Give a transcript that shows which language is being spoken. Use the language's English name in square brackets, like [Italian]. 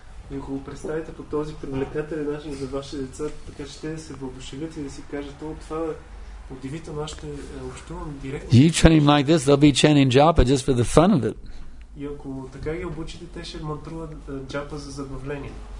[Bulgarian] И ако го представите по този привлекателен начин за ваши деца, така че те да се въодушевят и да си кажат, о, това е удивително, аз ще общувам директно. [English] You train them like this, they'll be chanting japa just for the fun of it. [Bulgarian] И ако така ги обучите, те ще мантруват джапа за забавление.